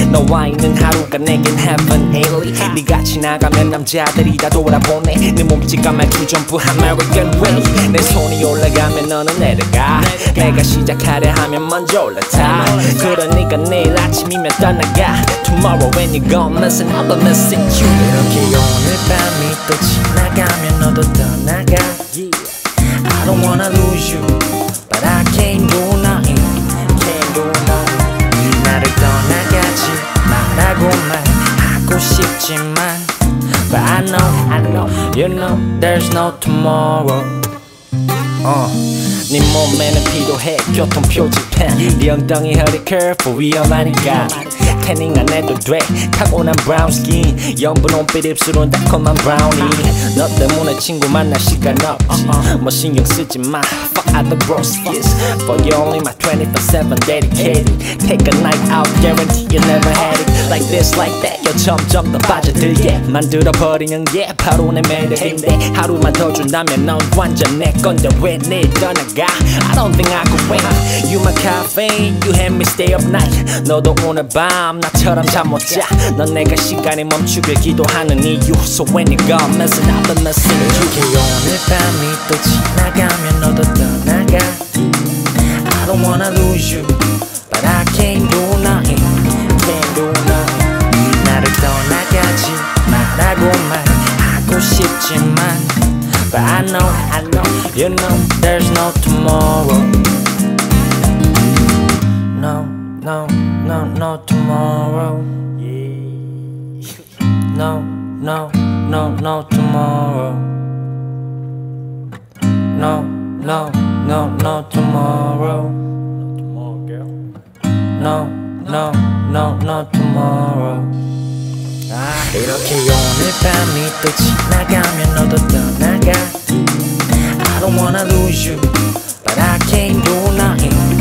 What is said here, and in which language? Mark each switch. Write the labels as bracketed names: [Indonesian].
[Korean] 너와 있는 하루가 내겐 heaven daily. 네 같이 나가면 남자들이 다 돌아보네. 네 몸짓과 말투 전부 American way. 내 손이 올라가면 너는 내려가. 내가 시작하려 하면 먼저 올라타. 그러니까 내일 아침이면 떠나가. [English] Tomorrow when you gone, listen, I'll be missing you. [Korean] 이렇게 오늘 밤이 또 지나가면 너도 떠나가. [English] I don't wanna lose you, but I can't do nothing. Can't do nothing. 나를 떠나가지 말라고 말하고 싶지만, but I know, you know, there's no tomorrow. [Korean] 네 몸에는 필요해 교통표지판. 네 엉덩이 허리 curve 위험하니까 태닝 안 해도 돼. 타고난 브라운 스킨 염분 온빛 입술은 달콤한 브라우니. 너 때문에 친구 만날 시간 없지. [English] 뭐 신경 쓰지 마. Fuck other bros kids. Fuck you only my 24/7 dedicated. Take a night out guarantee you never had it. Like this like that. [Korean] 여 점점 더 빠져들게 만들어버리는 게 바로 내 매력인데. 하루만 더 준다면 넌 완전 내 건데 왜 내일 떠나가. [English] I don't think I could wait. You my caffeine. You had me stay up night. [Korean] 너도 오늘 밤 I'm 나처럼 잠 못 자. 넌 내가 시간이 멈추길 기도하는 이유. [English] So when you go missing, I've been missing you. [Korean] 이렇게 오늘 밤이 또 지나가면 너도 떠나가. [English] I don't wanna lose you, but I can't do nothing. Can't do nothing. 나를 떠나가지 말라고 말하고 싶지만, but I know, you know, there's no tomorrow. No, no, no tomorrow. No, no, no, no tomorrow. No, no, no, no tomorrow. No tomorrow, girl. No, no, no, no tomorrow. [Korean] 이렇게 오늘 밤이 또 지나가면 너도 떠나가. [English] I don't wanna lose you, but I can't do nothing.